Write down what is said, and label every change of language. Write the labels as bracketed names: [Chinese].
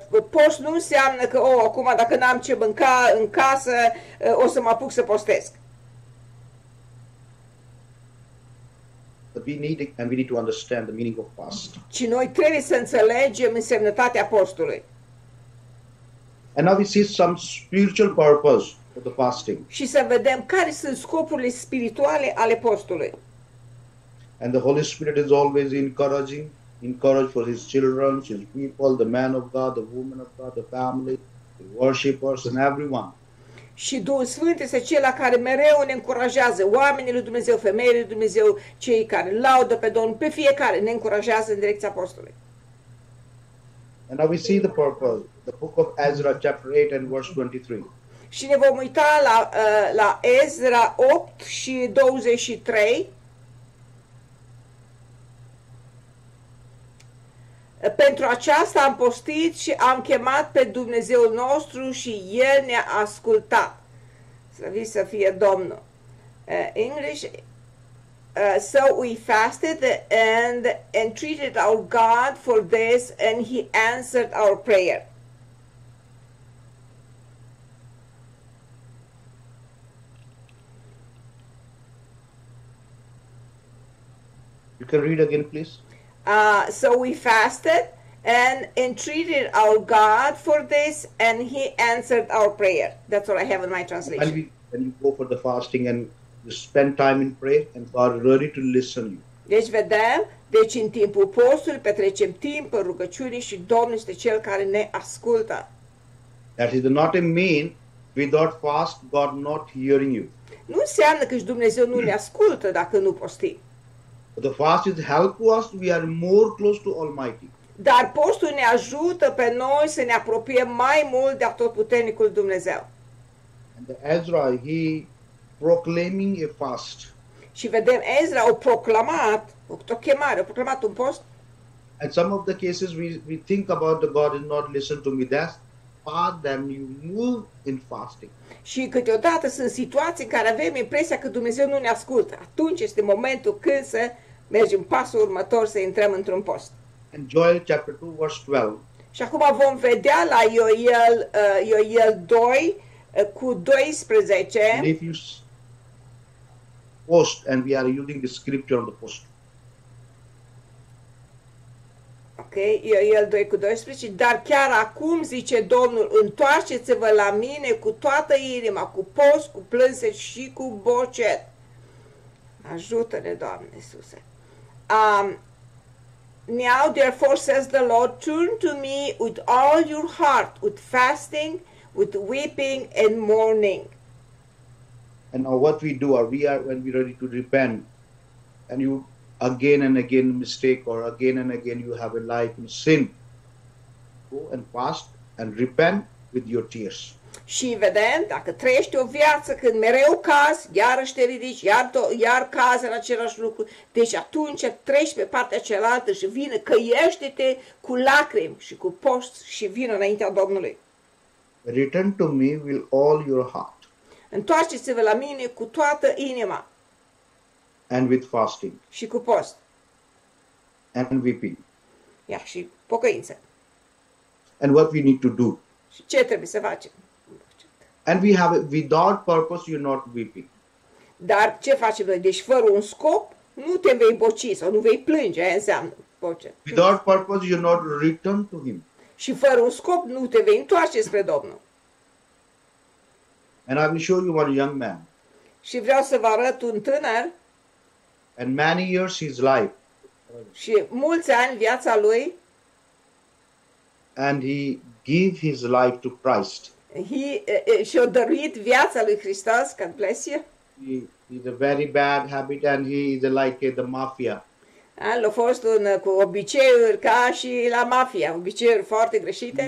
[Romanian] Post nu înseamnă că acum dacă n-am ce mânca în casă, o să mă apuc să postesc. [English] But we need to understand the meaning of fast. [Romanian] Ci noi trebuie să înțelegem însemnătatea postului. [English] And now we see some spiritual purpose. The fasting. [Romanian] Și să vedem care sunt scopurile spirituale ale postului. [English] And the Holy Spirit is always encouraging for his children, his people, the man of God, the woman of God, the family, the worshippers and everyone. [Romanian] Și Duhul Sfânt este cel care mereu ne încurajează, oamenii lui Dumnezeu, femeile lui Dumnezeu, cei care laudă pe Domnul, pe fiecare ne încurajează în direcția postului. [English] And now we see the purpose, the book of Ezra chapter 8 and verse 23. [Romanian] Și ne vom uita la Ezra 8 și 23. Pentru aceasta am postit și am chemat pe Dumnezeul nostru și El ne-a ascultat. Slăvit să fie Domnul. [English] English. So we fasted and entreated our God for this and He answered our prayer. Can read again, please. So we fasted and entreated our God for this, and He answered our prayer. That's what I have in my translation. And when you go for the fasting and you spend time in prayer, and God is ready to listen to you. [Romanian] Deci vedem, deci în timpul postului petrecem timp în rugăciune și Domnul este cel care ne ascultă. [English] That is not a mean without fast, God not hearing you. [Romanian] Nu înseamnă că Dumnezeu nu ne ascultă dacă nu postim. [English] The fast is help us, we are more close to Almighty. [Romanian] Dar postul ne ajută pe noi să ne apropiem mai mult de Atotputernicul Dumnezeu. [English] And the Ezra, he proclaiming a fast. [Romanian] Și vedem Ezra a proclamat, o chemare, a proclamat un post. [English] And some of the cases we think about the God is not listen to me, that's part that you move in fasting. [Romanian] Și câteodată sunt situații în care avem impresia că Dumnezeu nu ne ascultă. Atunci este momentul când să mergem pasul următor, să intrăm într-un post. [English] And Joel chapter 2 verse 12. [Romanian] Și acum vom vedea la Ioel 2 cu 12. [English] And if you post and we are using the scripture of the post. [Romanian] El 2 cu 12, dar chiar acum, zice Domnul, întoarceți-vă la mine cu toată inima, cu post, cu plânse și cu bocet. Ajută-ne, Doamne Iisuse. [English] Now, therefore, says the Lord, turn to me with all your heart, with fasting, with weeping and mourning. And now what we do, are we are when we're ready to repent, and you again and again mistake, or again and again you have a life in sin, go and fast and repent with your tears. [Romanian] Și vedem, dacă trăiești o viață când mereu caz, iarăși te ridici, iar caz în același lucru, deci atunci treci pe partea cealaltă și vine, căiește-te cu lacrimi și cu post și vină înaintea Domnului. [English] Return to me with all your heart. [Romanian] Întoarceți-vă la mine cu toată inima. [English] And with fasting. [Romanian] Și cu post. [English] And weeping. [Romanian] Ia, și pocăință. [English] And what we need to do. [Romanian] Și ce trebuie să facem? [English] And we have it without purpose, you're not weeping. [Romanian] Dar ce faci noi? Deci fără un scop, nu te vei boci sau nu vei plânge, aia înseamnă boce. [English] Without purpose, you're not returned to him. [Romanian] Și fără un scop, nu te vei întoarce spre Domnul. [English] And I will show you one young man. [Romanian] Și vreau să vă arăt un tânăr. [English] And many years his life. [Romanian] Și mulți ani viața lui. [English] And he gave his life to Christ. [Romanian] Și-a dăruit viața lui Hristos, [English] God bless you. He's a very bad habit and he is like the mafia. [Romanian] El a fost un cu obiceiuri ca și la mafia, obiceiuri foarte greșite.